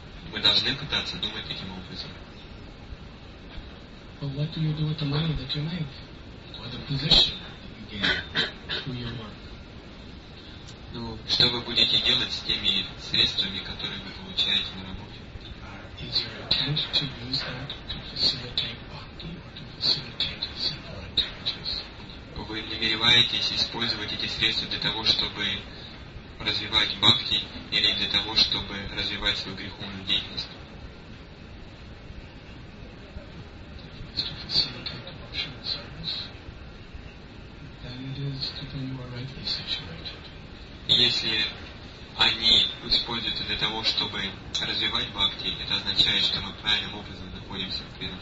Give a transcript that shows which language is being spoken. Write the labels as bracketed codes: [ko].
[ru] Мы должны пытаться думать таким образом. [en] But what do you do with the money that you make? Or the position that you gain through your work? [ru] Ну, что вы будете делать с теми средствами, которые вы получаете на работе? [en] Is your intent to use that to facilitate bhakti or to facilitate simple activities? [ru] Вы намереваетесь использовать эти средства для того, чтобы развивать бхакти, или для того, чтобы развивать свою греховную деятельность? [en] Then it is to then you are rightly [ru] Если они используются для того, чтобы развивать бхакти, это означает, что мы правильным образом находимся в преданном